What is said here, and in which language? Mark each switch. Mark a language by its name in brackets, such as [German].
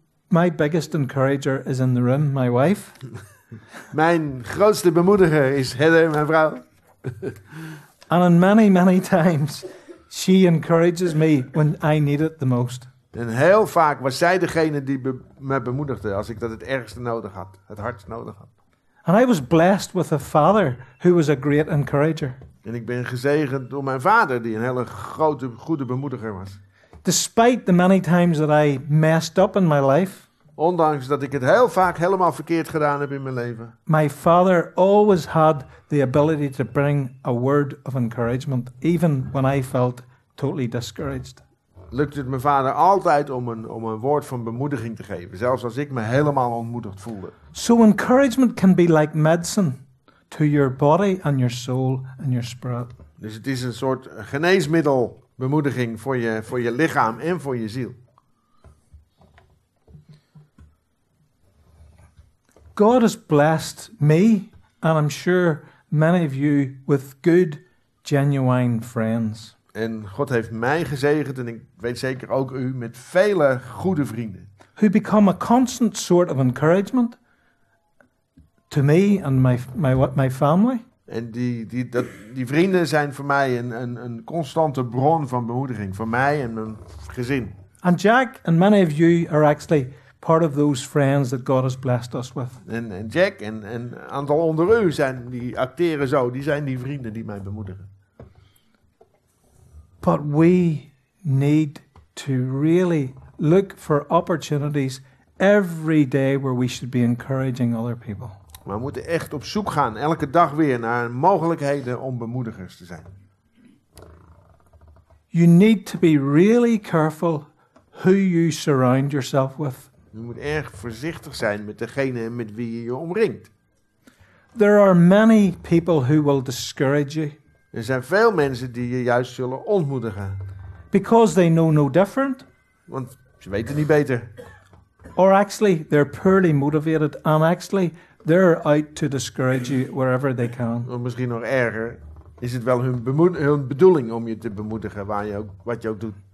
[English] My biggest encourager is in the room, my wife. [Dutch] Mijn grootste bemoediger is Heather, mijn vrouw. [English] And in many, many times she encourages me when I need it the most. [Dutch] En heel vaak was zij degene die me bemoedigde als ik dat het ergste nodig had, het hardst nodig had. [English] And I was blessed with a father who was a great encourager. [Dutch] En ik ben gezegend door mijn vader die een hele grote, goede bemoediger was. [English] Despite the many times that I messed up in my life. [Dutch] Ondanks dat ik het heel vaak helemaal verkeerd gedaan heb in mijn leven. [English] My father always had the ability to bring a word of encouragement, even when I felt totally discouraged. [Dutch] Lukt het mijn vader altijd om een woord van bemoediging te geven, zelfs als ik me helemaal ontmoedigd voelde. [English] So encouragement can be like medicine to your body and your soul and your spirit. [Dutch] Dus het is een soort geneesmiddel, bemoediging voor je lichaam en voor je ziel. [English] God has blessed me, and I'm sure many of you, with good, genuine friends. [Dutch] En God heeft mij gezegend, en ik weet zeker ook u, met vele goede vrienden. [English] Who become a constant sort of encouragement to me and my family. [Dutch] En die vrienden zijn voor mij een constante bron van bemoediging, voor mij en mijn gezin. [English] And Jack and many of you are actually part of those friends that God has blessed us with. [Dutch] En Jack en een aantal onder u zijn die acteren zo. Die zijn die vrienden die mij bemoedigen. [English] But we need to really look for opportunities every day where we should be encouraging other people. [Dutch] We moeten echt op zoek gaan elke dag weer naar mogelijkheden om bemoedigers te zijn. [English] You need to be really careful who you surround yourself with. [Dutch] Je moet erg voorzichtig zijn met degene met wie je je omringt. [English] There are many people who will discourage you. [Dutch] Er zijn veel mensen die je juist zullen ontmoedigen. [English] Because they know no different. [Dutch] Want ze weten niet beter. [English] Or actually, they're poorly motivated and actually they're out to discourage you wherever they can. [Dutch] Of misschien nog erger, is het wel hun bedoeling om je te bemoedigen wat je ook doet.